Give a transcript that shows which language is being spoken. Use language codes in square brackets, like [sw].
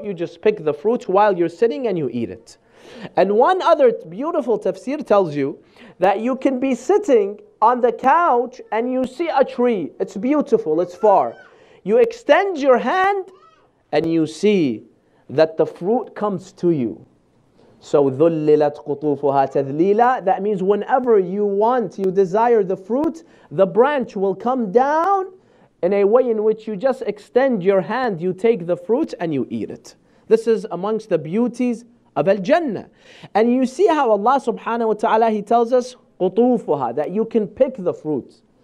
[en] You just pick the fruit while you're sitting and you eat it. And one other beautiful tafsir tells you that you can be sitting on the couch and you see a tree. It's beautiful, it's far. You extend your hand and you see that the fruit comes to you. [ar] So, ذُلِّلَتْ قُطُوفُهَا تَذْلِيلًا. [en] That means whenever you want, you desire the fruit, the branch will come down in a way in which you just extend your hand, you take the fruit and you eat it. This is amongst the beauties of Al-Jannah. And you see how Allah subhanahu wa ta'ala, He tells us, قطوفها, that you can pick the fruit.